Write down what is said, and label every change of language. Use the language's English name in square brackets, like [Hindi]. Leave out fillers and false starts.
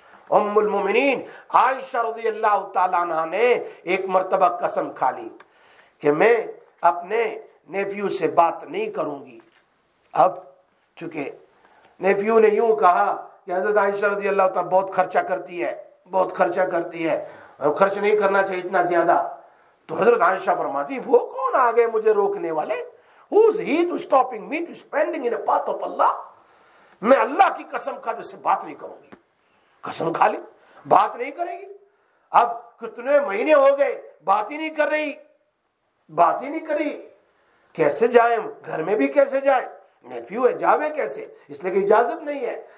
[Urdu] ام المومنین عائشہ رضی اللہ تعالی عنہ نے ایک مرتبہ قسم کھا لی کہ میں اپنے نیفیو سے بات نہیں کروں گی. اب چونکہ نیفیو نے یوں کہا کہ حضرت عائشہ رضی اللہ تعالیٰ بہت خرچہ کرتی ہے، بہت خرچہ کرتی ہے، خرچ نہیں کرنا چاہیے اتنا زیادہ. تو حضرت عائشہ فرماتی وہ کون آ گئے مجھے روکنے والے، [English] Who's he to stopping me to spending in a path of Allah? [Urdu] میں اللہ کی قسم کھا جس سے بات نہیں کروں گی. قسم کھا لی، بات نہیں کرے گی. اب کتنے مہینے ہو گئے بات ہی نہیں کر رہی، بات ہی نہیں کر رہی، کیسے جائیں گھر میں بھی کیسے جائیں، نیفیو ہے جاوے کیسے، اس لیے کہ اجازت نہیں ہے.